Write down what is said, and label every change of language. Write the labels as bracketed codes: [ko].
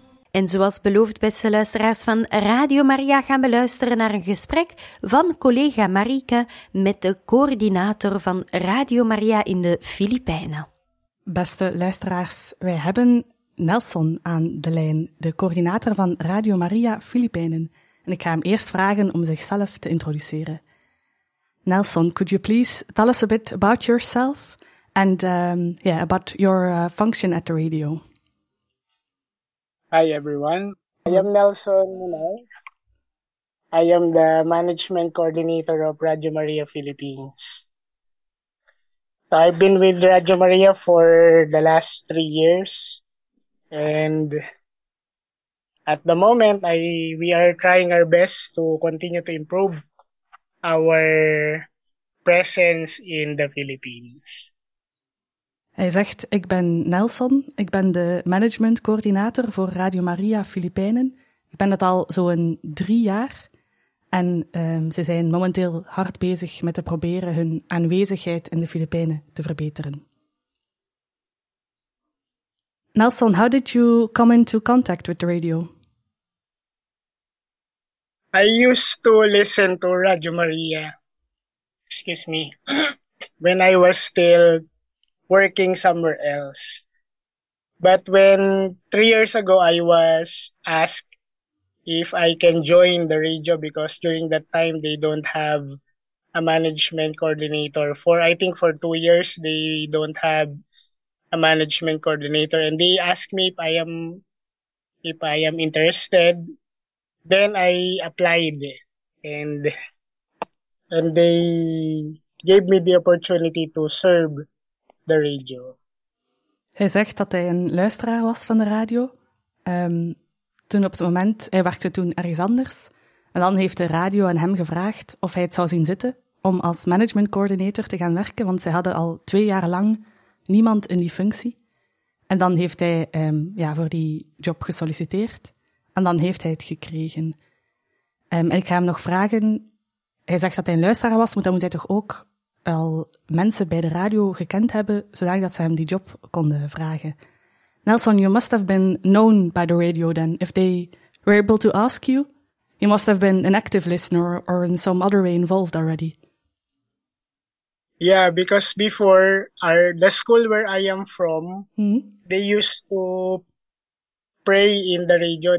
[nl] En zoals beloofd, beste luisteraars van Radio Maria, gaan we luisteren naar een gesprek van collega Marieke met de coördinator van Radio Maria in de Filipijnen. Beste luisteraars, wij hebben Nelson aan de lijn, de coördinator van Radio Maria Filipijnen. En ik ga hem eerst vragen om zichzelf te introduceren. [en] Nelson, could you please tell us a bit about yourself and about your function at the radio? Hi everyone, I am Nelson Munay. I am the management coordinator of Radio Maria Philippines. So I've been with Radio Maria for the last 3 years, and at the moment we are trying our best to continue to improve our presence in the Philippines. [nl] Hij zegt, ik ben Nelson, ik ben de managementcoördinator voor Radio Maria Filipijnen. Ik ben het al zo'n 3 jaar en ze zijn momenteel hard bezig met te proberen hun aanwezigheid in de Filipijnen te verbeteren. [en] Nelson, how did you come into contact with the radio? I used to listen to Radio Maria, excuse me, when I was still working somewhere else. But when 3 years ago, I was asked if I can join the radio because during that time, they don't have a management coordinator. For 2 years, they don't have a management coordinator. And they asked me if I am interested. Then I applied and they gave me the opportunity to serve the radio. [nl] Hij zegt dat hij een luisteraar was van de radio. Hij werkte toen ergens anders. En dan heeft de radio aan hem gevraagd of hij het zou zien zitten om als management coordinator te gaan werken, want ze hadden al 2 jaar lang niemand in die functie. En dan heeft hij voor die job gesolliciteerd. En dan heeft hij het gekregen. Ik ga hem nog vragen. Hij zegt dat hij een luisteraar was, maar dan moet hij toch ook al mensen bij de radio gekend hebben, zodat dat ze hem die job konden vragen. [en] Nelson, you must have been known by the radio then. If they were able to ask you, you must have been an active listener or in some other way involved already. Yeah, because before, the school where I am from, They used to pray in the radio.